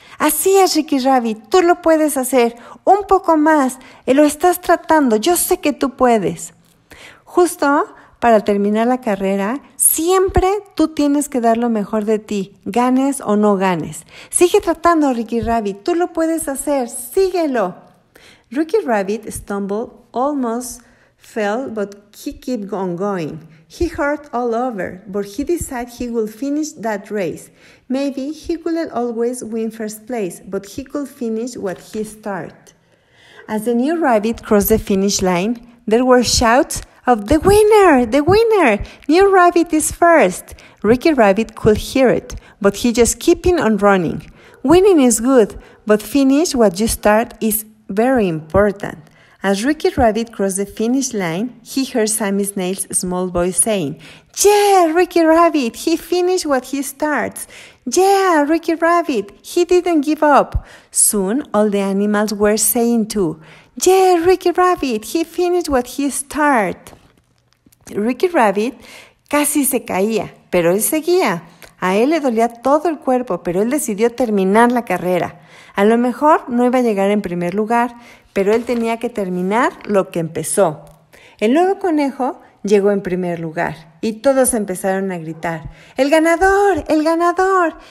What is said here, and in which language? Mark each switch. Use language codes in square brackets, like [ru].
[es] ¡Así es, Ricky Rabbit! ¡Tú lo puedes hacer! ¡Un poco más! ¡Lo estás tratando! ¡Yo sé que tú puedes! Justo para terminar la carrera, siempre tú tienes que dar lo mejor de ti, ganes o no ganes. ¡Sigue tratando, Ricky Rabbit! ¡Tú lo puedes hacer! ¡Síguelo! [en] Ricky Rabbit stumbled, almost fell, but he kept on going. He hurt all over, but he decided he would finish that race. Maybe he couldn't always win first place, but he could finish what he started. As the new rabbit crossed the finish line, there were shouts of "The winner! The winner! New rabbit is first!" Ricky Rabbit could hear it, but he just kept on running. Winning is good, but finish what you start is very important. As Ricky Rabbit crossed the finish line, he heard Sammy Snail's small voice saying, "Yeah, Ricky Rabbit, he finished what he starts. Yeah, Ricky Rabbit, he didn't give up." Soon, all the animals were saying too, "Yeah, Ricky Rabbit, he finished what he starts." [es] Ricky Rabbit casi se caía, pero él seguía. A él le dolía todo el cuerpo, pero él decidió terminar la carrera. A lo mejor no iba a llegar en primer lugar, pero él tenía que terminar lo que empezó. El nuevo conejo llegó en primer lugar y todos empezaron a gritar, ¡el ganador! ¡El ganador!